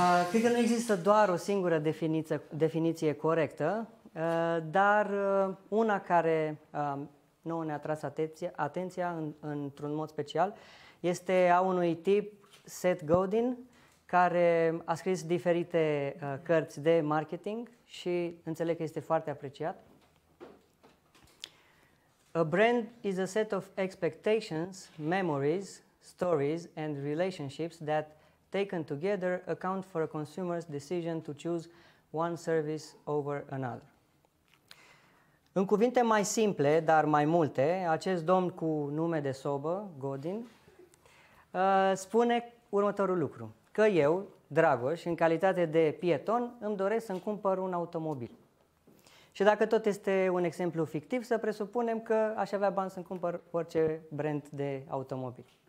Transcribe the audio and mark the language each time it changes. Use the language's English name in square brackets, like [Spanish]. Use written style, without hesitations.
[Romanian] Cred că nu există doar o singură definiție corectă, dar una care nouă ne-a tras atenția într-un mod special este a unui tip, Seth Godin, care a scris diferite cărți de marketing și înțeleg că este foarte apreciat. [English] A brand is a set of expectations, memories, stories and relationships that taken together, account for a consumer's decision to choose one service over another. [Romanian] În cuvinte mai simple, dar mai multe, acest domn cu nume de sobă, Godin, spune următorul lucru. Că eu, Dragoș, în calitate de pieton, îmi doresc să-mi cumpăr un automobil. Și dacă tot este un exemplu fictiv, să presupunem că aș avea bani să-mi cumpăr orice brand de automobil.